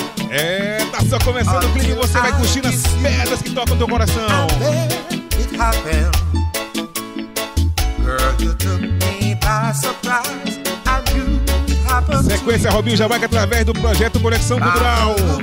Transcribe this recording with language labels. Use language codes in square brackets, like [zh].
[pt] É, tá só começando o clima e você vai curtindo as pedras que tocam teu coração. [en] It happened. Girl, you took me by surprise. And you happened. [pt] Sequência Robinho Jamaica através do projeto Conexão Cultural.